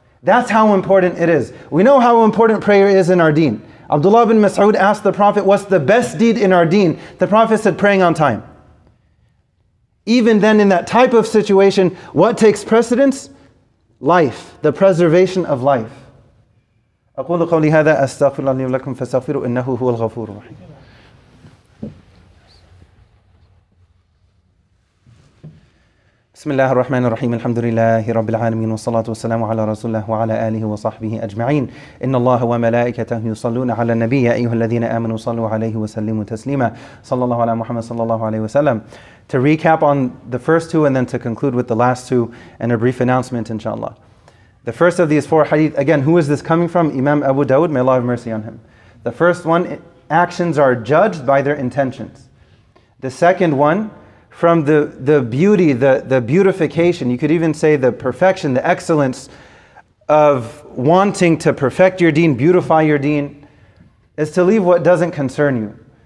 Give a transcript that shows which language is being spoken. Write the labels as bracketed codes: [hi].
[en] That's how important it is. We know how important prayer is in our deen. Abdullah bin Mas'ud asked the Prophet, what's the best deed in our deen? The Prophet said, praying on time. Even then, in that type of situation, what takes precedence? Life. The preservation of life. [ar] أقول قولي هذا أستغفر الله لي ولكم فاستغفروا إنه هو الغفور الرحيم. بسم الله الرحمن الرحيم الحمد لله رب العالمين والصلاة والسلام على رسول الله وعلى آله وصحبه أجمعين إن الله وملائكته يصلون على النبي يا أيها الذين آمنوا صلوا عليه وسلموا تسليما صلى الله على محمد صلى الله عليه وسلم. [en] To recap on the first two and then to conclude with the last two and a brief announcement inshallah. The first of these four hadith, again, who is this coming from? Imam Abu Dawud, may Allah have mercy on him. The first one, actions are judged by their intentions. The second one, from the beauty, the beautification, you could even say the perfection, the excellence of wanting to perfect your deen, beautify your deen, is to leave what doesn't concern you.